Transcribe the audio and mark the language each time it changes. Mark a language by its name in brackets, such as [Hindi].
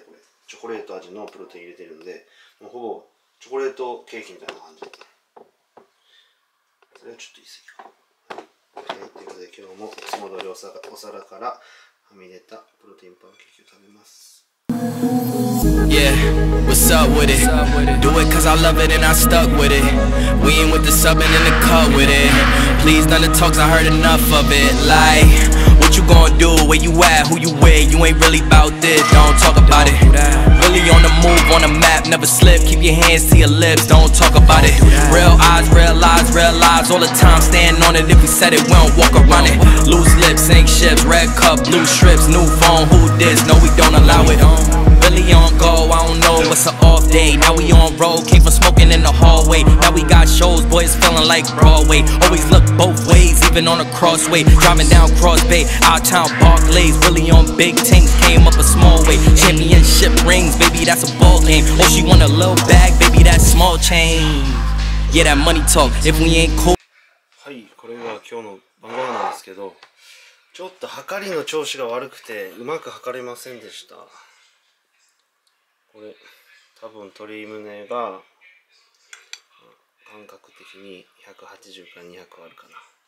[Japanese] これチョコレート味のプロテイン入れてるんで、もうほぼチョコレートケーキみたいな感じで、それはちょっと言い過ぎか。はい、ということで今日もいつも通りお皿からはみ出たプロテインパンケーキを食べます。 [English] What's up with it? Do it cause I love it and I stuck with it. We ain't with the subbing in the cut with it. Please none of the talks, I heard enough of it. Like, what you gonna do? Where you at? Who you with? You ain't really about this, don't talk about it. Really on the move, on the map, never slip. Keep your hands to your lips, don't talk about it. Real eyes, real eyes, real eyes. All the time, stand on it. If we said it, we don't walk around it. Loose lips, sink ships, red cup, blue strips. New phone, who this? No, we don't allow it. Really on go, I don't know, what's an off day. Now we on road, came from smoking in the hallway. Now we got shows, boys feeling like Broadway. Always look both ways, even on a crossway. Driving down Cross Bay, our town Barclays. Really on big things, came up a small way. Championship rings, baby, that's a ball game. Oh, she want a little bag, baby, that's small change. Yeah, that money talk, if we ain't cool. [Japanese] はい、これが今日の晩ご飯なんですけど、ちょっと測りの調子が悪くてうまく測れませんでした。これ多分鶏胸が感覚的に180から200あるかな。